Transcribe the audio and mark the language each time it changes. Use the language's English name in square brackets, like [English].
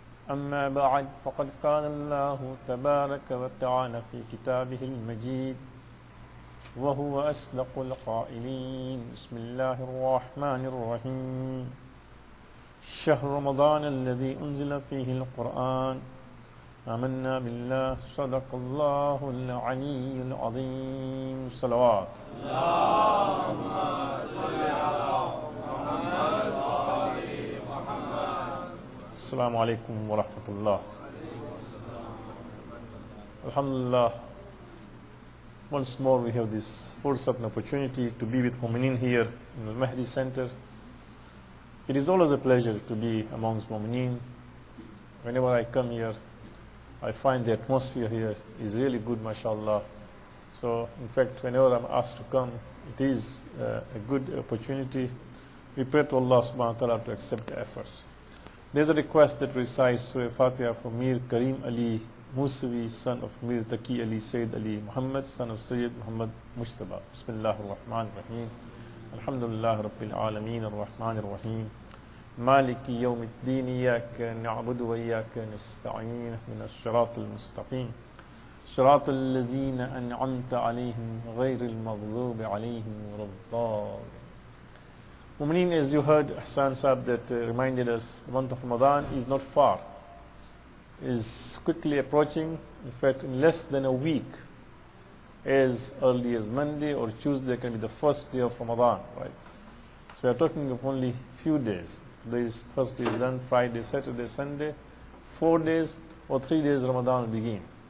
[Arabic] أما بعد، فقد قال الله تبارك وتعالى في كتابه المجيد وهو أصدق القائلين، بسم الله الرحمن الرحيم: شهر رمضان الذي أنزل فيه القرآن، آمنا بالله صدق الله العلي العظيم. صلوات اللهم صل على محمد وآل محمد. السلام عليكم ورحمة الله. الحمد لله. [English] Once more we have this fortunate opportunity to be with Muminin here in Al Mahdi Center. It is always a pleasure to be amongst Muminin. Whenever I come here, I find the atmosphere here is really good, mashallah. So, in fact, whenever I'm asked to come, it is a good opportunity. We pray to Allah subhanahu wa ta'ala to accept the efforts. There's a request that recites Surah Fatiha for Mir Karim Ali Musavi, son of Mir Taqi Ali Sayyid Ali Muhammad, son of Sayyid Muhammad Mujtaba. [Arabic] Bismillah ar-Rahman ar-Rahim. Alhamdulillah Rabbil Alameen ar-Rahman ar-Rahim. مالكي يوم الدين إياك نعبد وإياك نستعين من الصراط المستقيم صراط الذين أنعمت عليهم غير المغضوب عليهم ولا الضالين. [English] Muminin, as you heard Ahsan Sahib that reminded us, the month of Ramadan is not far, is quickly approaching. In fact, in less than a week, as early as Monday or Tuesday can be the first day of Ramadan, right? So we are talking of only few days. This Thursday is done, Friday, Saturday, Sunday, 4 days or 3 days Ramadan will begin.